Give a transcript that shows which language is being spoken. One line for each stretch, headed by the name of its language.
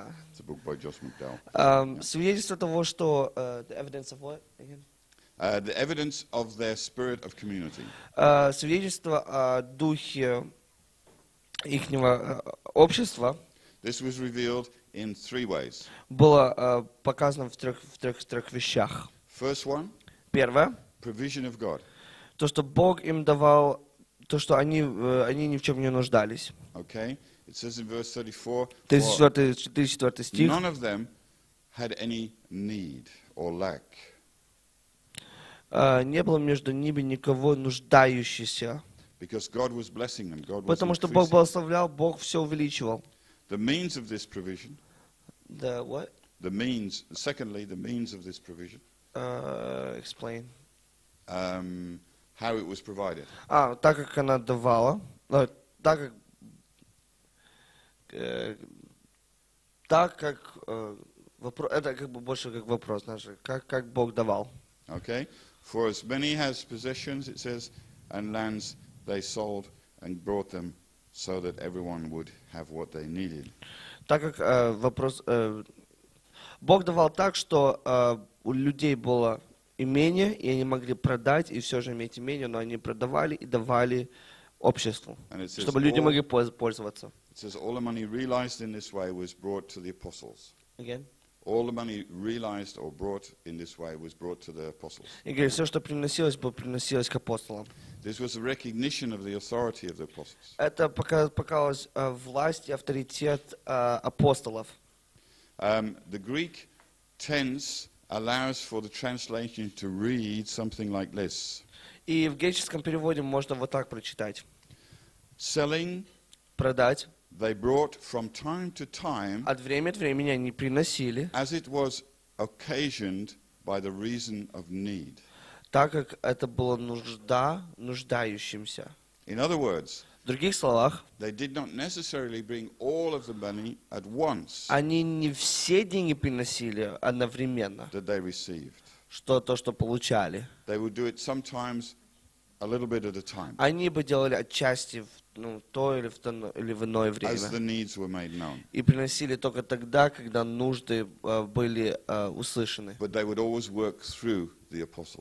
English: It's a book by Josh McDowell.
Russian: Свидетельство того, что
English: the evidence of what again? The evidence of their spirit of community.
Russian: Свидетельство о духе ихнего общества.
English: This was revealed in three ways.
Russian: Было показано в трех вещах.
English: First one.
Russian: Первое.
English: Provision of God.
Russian: То, что Бог им давал, то, что они ни в чем не нуждались.
English: Okay. It says in verse 34,
Russian: 34 стих,
English: none of them had any need or lack.
Russian: Не было между ними никого нуждающегося.
English: Because God was blessing them. God
Russian: потому
English: was
Russian: что Бог благословлял, Бог все увеличивал.
English: The means of this provision. The what? The means. Secondly, the means of this provision. Explain. How it was provided.
Russian: Так как она давала. Так как так как вопрос, это как бы больше как вопрос, знаешь, как Бог давал. Okay.
English: For as many as possessions, it says, and lands they sold and brought them so that everyone would have what they needed.
Russian: Так как вопрос, Бог давал так, что у людей было имение, и они могли продать и все же иметь имение, но они продавали и давали обществу,
English: says,
Russian: чтобы люди могли пользоваться.
English: It says all the money realized in this way was brought to the apostles. Again. All the money realized or brought in this way was brought to the apostles.
Russian: Говорю, все, что приносилось, было приносилось к апостолам.
English: This was a recognition of the authority of the apostles.
Russian: Это показалось власть и авторитет апостолов.
English: The Greek tense allows for the translation to read something like this.
Russian: И в греческом переводе можно вот так прочитать.
English: Selling.
Russian: Продать.
English: They brought from time to time,
Russian: от времени от времени они приносили,
English: as it was occasioned by the reason of need,
Russian: так как это была нужда нуждающимся.
English: In other words,
Russian: в других словах,
English: they did not necessarily bring all of the money at once,
Russian: они не все деньги приносили одновременно,
English: that they received,
Russian: что то, что получали.
English: They would do it sometimes a little bit at a time.
Russian: Они бы делали отчасти или в иное время.
English: As the needs were made known.
Russian: И приносили только тогда, когда нужды были услышаны.
English: But they would always work through the apostles.